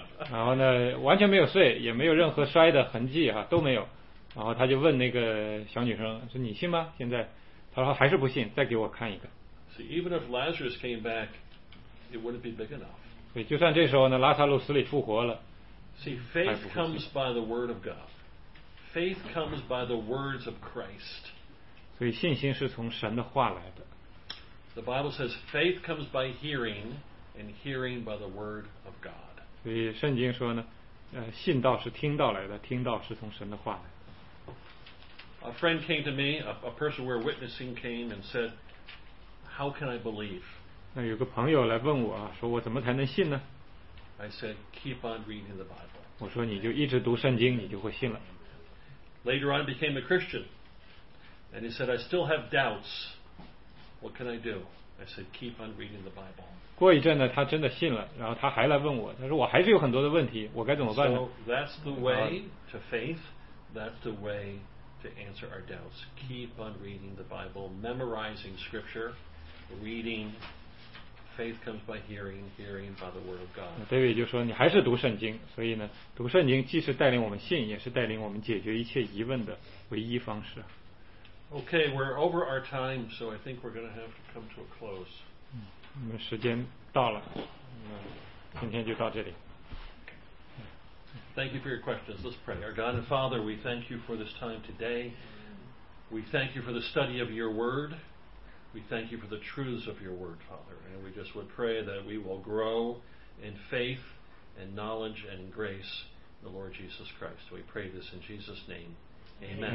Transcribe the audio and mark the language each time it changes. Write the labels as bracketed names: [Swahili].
[Chinese] 然后呢，完全没有碎，也没有任何摔的痕迹哈，都没有。然后他就问那个小女生说你信吗现在他说还是不信再给我看一个 [English] See, even if Lazarus came back, it wouldn't be big enough. [Chinese] 所以就算这时候呢拉萨路死里复活了 [English] See, faith comes by the word of God. Faith comes by the words of Christ. [Chinese] 所以信心是从神的话来的。 [English] The Bible says faith comes by hearing and hearing by the word of God. [Chinese] 所以圣经说呢，信道是听道来的，听道是从神的话来的。 [English] A friend came to me, a person we're witnessing came and said, how can I believe? [Chinese] 那有个朋友来问我，说我怎么才能信呢？ [English] I said, keep on reading the Bible. [Chinese] 我说你就一直读圣经，你就会信了。 [English] Later on became a Christian. And he said, I still have doubts. What can I do? I said, keep on reading the Bible. [Chinese] 过一阵呢，他真的信了，然后他还来问我，他说我还是有很多的问题，我该怎么办呢？ [English] So that's the way to faith. That's the way to answer our doubts. Keep on reading the Bible, memorizing scripture, reading. Faith comes by hearing, hearing by the word of God. [Chinese] David 就说你还是读圣经，所以呢，读圣经既是带领我们信，也是带领我们解决一切疑问的唯一方式。 [English] Okay, we're over our time, so I think we're going to have to come to a close. [Chinese] 我们时间到了，今天就到这里。 [English] Thank you for your questions. Let's pray. Our God and Father, we thank you for this time today. We thank you for the study of your word. We thank you for the truths of your word, Father. And we just would pray that we will grow in faith and knowledge and grace in the Lord Jesus Christ. We pray this in Jesus' name. Amen.